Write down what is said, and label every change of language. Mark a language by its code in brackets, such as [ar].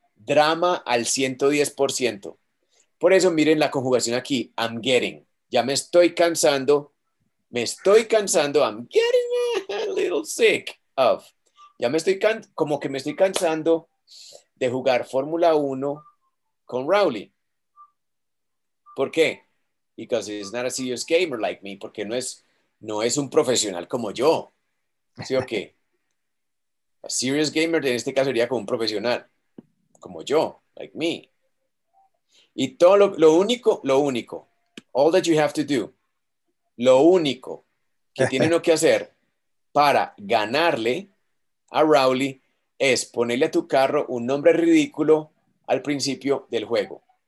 [es] Drama al 110%. Por eso miren la conjugación aquí. [en] I'm getting. [es] Ya me estoy cansando. Me estoy cansando. [en] I'm getting a little sick of. [es] Ya me estoy como que me estoy cansando de jugar Fórmula 1 con Rowley. ¿Por qué? [en] Because he's not a serious gamer like me. [es] Porque no es un profesional como yo. ¿Sí o qué? A serious gamer en este caso sería como un profesional. Como yo. [en] Like me. [es] Y todo lo único. [en] All that you have to do. [es] Lo único que tiene uno que hacer para ganarle a Rowley es ponerle a tu carro un nombre ridículo al principio del juego.